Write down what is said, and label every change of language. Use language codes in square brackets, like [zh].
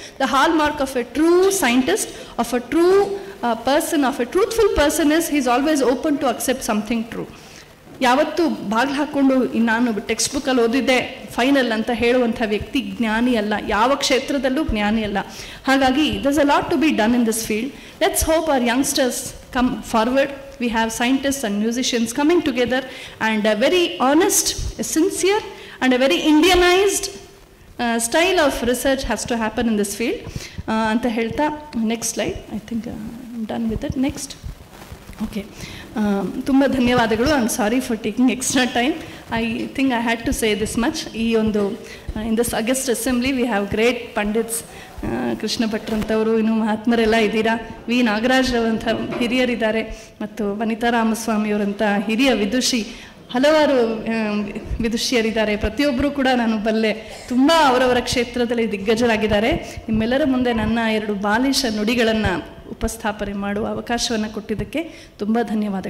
[en] The hallmark of a true scientist, of a true person, of a truthful person is he is always open to accept something true. [kn] ಯಾವತ್ತೂ ಬಾಗಿಲು ಹಾಕ್ಕೊಂಡು ನಾನು text ಬುಕ್ಕಲ್ಲಿ ಓದಿದ್ದೆ final ಅಂತ ಹೇಳುವಂಥ ವ್ಯಕ್ತಿ ಜ್ಞಾನಿ ಅಲ್ಲ, ಯಾವ ಕ್ಷೇತ್ರದಲ್ಲೂ ಜ್ಞಾನಿ ಅಲ್ಲ. [en] ಹಾಗಾಗಿ there's a lot to be done in this field. Let's hope our youngsters come forward. We have scientists and musicians coming together and a very honest, a sincere and a very Indianized style of research has to happen in this field. [kn] Anta helta, [en] next slide, I think I'm done with it. Next. Okay. [kn] Tumba dhanyavadagalu, [en] I'm sorry for taking extra time. I think I had to say this much. In this August assembly, we have great pandits. [kn] Krishna ಭಟ್ರಂಥವರು, ಇನ್ನು ಮಹಾತ್ಮರೆಲ್ಲ ಇದ್ದೀರಾ, V Nagaraj ಅಂಥ ಹಿರಿಯರಿದ್ದಾರೆ, ಮತ್ತು ವನಿತಾ ರಾಮಸ್ವಾಮಿಯವರಂಥ ಹಿರಿಯ ವಿದುಷಿ, ಹಲವಾರು ವಿದುಷಿಯರಿದ್ದಾರೆ. ಪ್ರತಿಯೊಬ್ಬರೂ ಕೂಡ ನಾನು ಬಲ್ಲೆ, ತುಂಬ ಅವರವರ ಕ್ಷೇತ್ರದಲ್ಲಿ ದಿಗ್ಗಜರಾಗಿದ್ದಾರೆ. ನಿಮ್ಮೆಲ್ಲರ ಮುಂದೆ ನನ್ನ ಎರಡು ಬಾಲಿಶ ನುಡಿಗಳನ್ನು ಉಪಸ್ಥಾಪನೆ ಮಾಡುವ ಅವಕಾಶವನ್ನು ಕೊಟ್ಟಿದ್ದಕ್ಕೆ ತುಂಬ ಧನ್ಯವಾದಗಳು.